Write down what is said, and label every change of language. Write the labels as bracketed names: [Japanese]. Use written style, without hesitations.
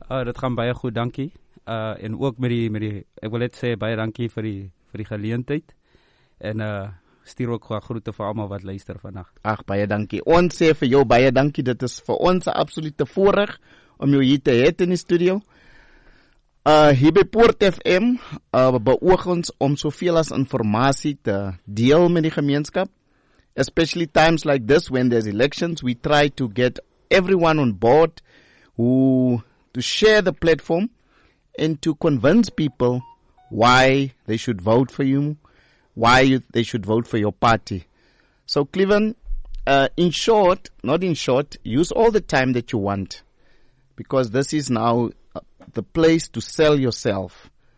[Afrikaans] Dit gaan baie goed, dankie. En ook met die, ek wil net sê, baie dankie vir die geleentheid. En stuur ook groete vir allemaal wat luister vandag. Ach, baie dankie. Ons sê vir jou baie dankie. Dit is vir ons absolute voorreg om jou hier te het in die studio. Hier by Poort FM beoog ons om soveel as informatie te deel met die gemeenskap. [English] Especially times like this when there's elections, we try to get everyone on board to share the platform and to convince people why they should vote for you, why they should vote for your party. So Cleven, in short, use all the time that you want, because this is now the place to sell yourself.